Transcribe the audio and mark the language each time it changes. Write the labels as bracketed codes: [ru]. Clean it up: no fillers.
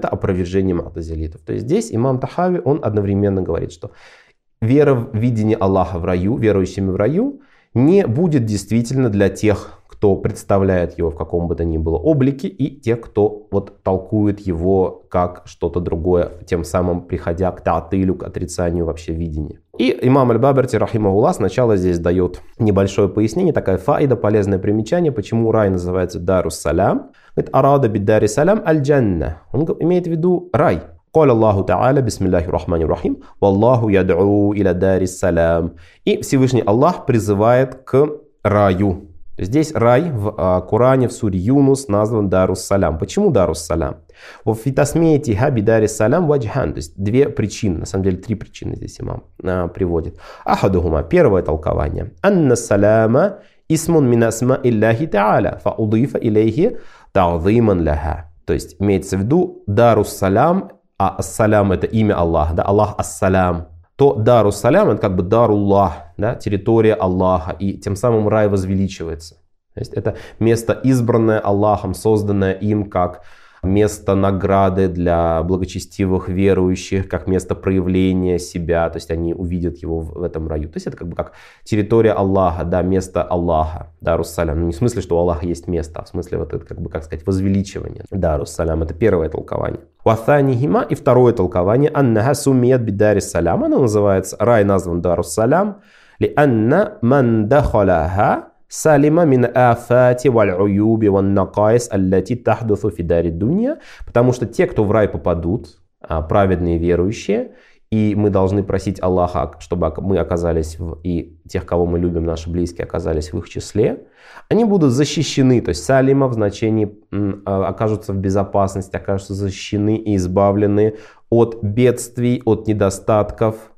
[ru] Это опровержение мутазилитов. То есть здесь имам Тахави, он одновременно говорит, что вера в видение Аллаха в раю, верующими в раю, не будет действительно для тех, кто представляет его в каком бы то ни было облике, и тех, кто вот толкует его как что-то другое, тем самым приходя к таатылю, к отрицанию вообще видения. И имам аль-Бабирти, рахимахулла, сначала здесь дает небольшое пояснение, такая фаида, полезное примечание, почему рай называется Дарус-Салям. Говорит, [ar] арада бид-Дарис-Салям аль-Джанна. [ru] Он имеет в виду рай. [ar] قال الله تعالى بسم الله الرحمن الرحيم والله يدعو الى دار السلام. [ru] И Всевышний Аллах призывает к раю. Здесь рай в Коране, в суре Юнус, назван Дарус-Салям. Почему Дарус-Салям? [ar] وفي تسميته بدار السلام وجهان. [ru] То есть две причины, на самом деле три причины здесь имам приводит. [ar] احدهما, [ru] первое толкование, [ar] ان السلام اسم من اسماء الله تعالى فاضيف اليه تعظيما لها. [ru] То есть имеется в виду Дарус-Салям, а ас-салям это имя Аллаха, да, Аллах ас-салям, то дару-салям это как бы дару-Аллах, да, территория Аллаха, и тем самым рай возвеличивается. То есть это место, избранное Аллахом, созданное им как место награды для благочестивых верующих, как место проявления себя, то есть они увидят его в этом раю. То есть это как бы как территория Аллаха, да, место Аллаха, дару-салям. Не в смысле, что у Аллаха есть место, а в смысле вот это как бы, как сказать, возвеличивание. Дару-салям это первое толкование. [ar] وَثَانِهِمَا, [ru] и второе толкование, [ar] أَنَّهَا سُمِّيَتْ بِدَارِ السَّلَامِ, [ru] оно называется, рай назван Дарус-Салям, [ar] لِأَنَّ مَنْ دَخَلَهَا سَلِمَ مِنْ آفَاتِ وَالْعُيُوبِ وَالنَّقَائِسِ الَّتِي تَحْدُثُ فِي دَارِ الدُّنْيَا. [ru] Потому что те, кто в рай попадут, праведные верующие, и мы должны просить Аллаха, чтобы мы оказались, и тех, кого мы любим, наши близкие, оказались в их числе, они будут защищены, то есть салима в значении окажутся в безопасности, окажутся защищены и избавлены от бедствий, от недостатков.